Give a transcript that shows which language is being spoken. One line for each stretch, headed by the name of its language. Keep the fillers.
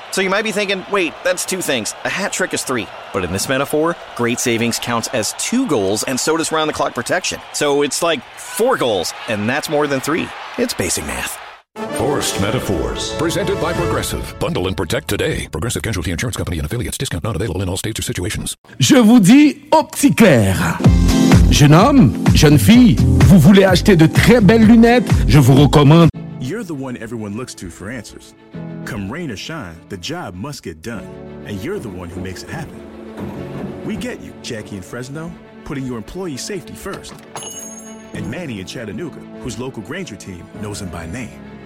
English: So you might be thinking, wait, that's two things. A hat trick is three. But in this metaphor, great savings counts as two goals, and so does round the clock protection. So it's like four goals, and that's more than three. It's basic math. Forced Metaphors, presented by Progressive. Bundle and protect today. Progressive Casualty Insurance Company and affiliates. Discount not available in all states or situations.
French: Je vous dis OptiClair. Jeune homme, jeune fille, vous voulez acheter de très belles lunettes? Je vous recommande.
English: You're the one everyone looks to for answers. Come rain or shine, the job must get done. And you're the one who makes it happen. We get you, Jackie in Fresno, putting your employee safety first. And Manny in Chattanooga, whose local Granger team knows him by name.